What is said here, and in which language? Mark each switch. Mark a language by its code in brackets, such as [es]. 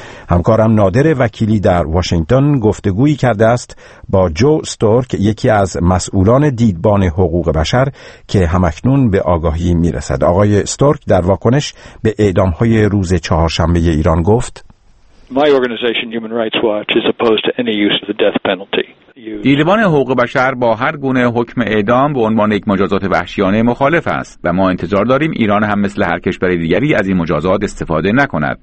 [fa] همکارم نادر وکیلی در واشنگتن گفتگویی کرده است با جو استورک، یکی از مسئولان دیدبان حقوق بشر که همکنون به آگاهی میرسد. آقای استورک در واکنش به اعدام‌های روز چهارشنبه ایران گفت: [en] My organization Human Rights Watch is opposed to any use of the death penalty. [fa] دیدبان حقوق بشر با هر گونه حکم اعدام به عنوان یک مجازات وحشیانه مخالف است و ما انتظار داریم ایران هم مثل هر کشور دیگری از این مجازات استفاده نکند.